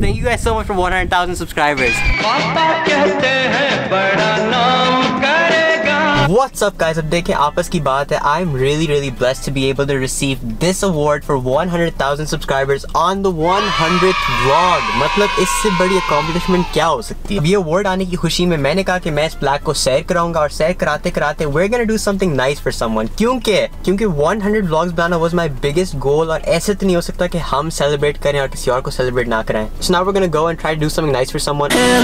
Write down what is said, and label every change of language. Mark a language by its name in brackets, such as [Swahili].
[English] Thank you guys so much for 100,000 subscribers. What's up, guys? [Hindi] अब देखें आपस की बात है. [English] I'm really, really blessed to be able to receive this award for 100,000 subscribers on the 100th vlog. [Hindi] मतलब इससे बड़ी accomplishment क्या हो सकती है? ये award आने की खुशी में मैंने कहा कि मैं इस plaque को share कराऊंगा और share कराते कराते [English] we're gonna do something nice for someone. [Hindi] क्योंकि 100 vlogs banana [English] was my biggest goal [Hindi] और ऐसे तो नहीं हो सकता कि हम celebrate करें और किसी और को celebrate ना कराएं. [English] So now we're gonna go and try to do something nice for someone.